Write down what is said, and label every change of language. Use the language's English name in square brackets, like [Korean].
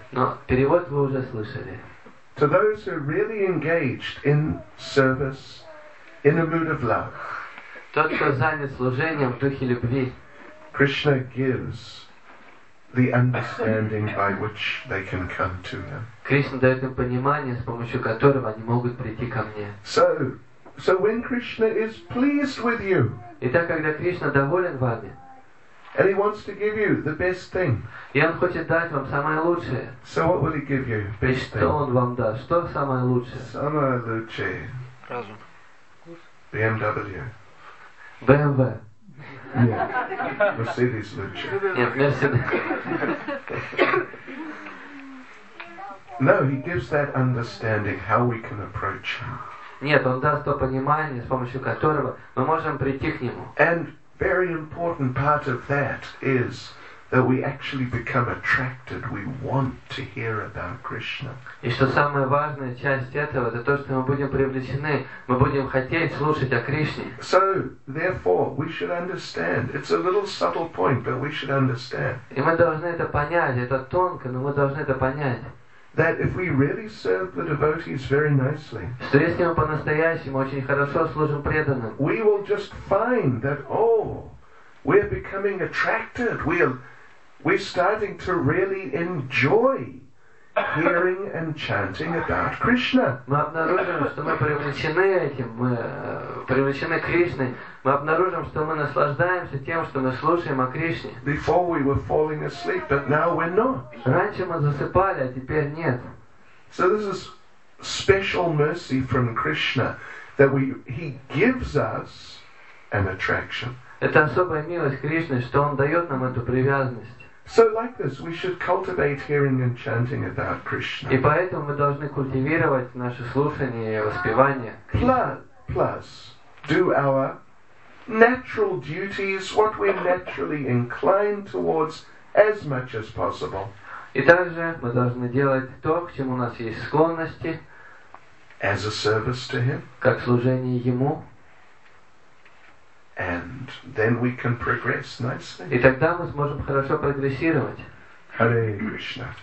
[Russian] Но перевод вы уже слышали. [English] To those who are really engaged in service, in a mood of love. [Russian] Тот, кто занят служением в духе любви. [English] Krishna gives the understanding by which they can come to him. [Russian] Кришна дает им понимание, с помощью которого они могут прийти ко мне. [English] So when Krishna is pleased with you. [Russian] Итак, когда Кришна доволен вами. [English] And he wants to give you the best thing. [Russian] И он хочет дать вам самое лучшее. [English] So what will he give you? Best thing. [Russian] Что он вам даст? Что самое лучшее? Самое лучшее. Разум. [English] BMW. BMW. Yeah. Mercedes Lucha. Yeah, Mercedes. No, he gives that understanding how we can approach him. [Russian] Нет, он даст то понимание, с помощью которого мы можем прийти к нему. [English] And very important part of that is that we actually become attracted. We want to hear about Krishna. [Russian] И что самая важная часть этого, это то, что мы будем привлечены, мы будем хотеть слушать о Кришне. [English] So, therefore, we should understand. It's a little subtle point, but we should understand. [Russian] И мы должны это понять. Это тонко, но мы должны это понять. [English] That if we really serve the devotees very nicely, [Russian] что если мы по-настоящему очень хорошо служим преданным, [English] we will just find that, oh, we're becoming attracted. We're starting to really enjoy hearing and chanting about Krishna. [Russian] Мы обнаружим, что мы привлечены этим, мы привлечены Кришной. Мы обнаружим, что мы наслаждаемся тем, что мы слушаем о Кришне. [English] Before we were falling asleep, but now we're not. [Russian] Раньше мы засыпали, а теперь нет. [English] So this is special mercy from Krishna that he gives us an attraction. [Russian] Это особая милость Кришны, что Он дает нам эту привязанность. [English] So like this, we should cultivate hearing and chanting about Krishna. [Russian] И поэтому мы должны культивировать наше слушание и воспевание. [English] Plus, do our natural duties, what we're naturally inclined towards, as much as possible. [Russian] И также мы должны делать то, к чему у нас есть склонности. [English] As a service to Him. [Russian] Как служение Ему. [English] And then we can progress nicely. [Russian] И тогда мы сможем хорошо прогрессировать. [English] Hare Krishna.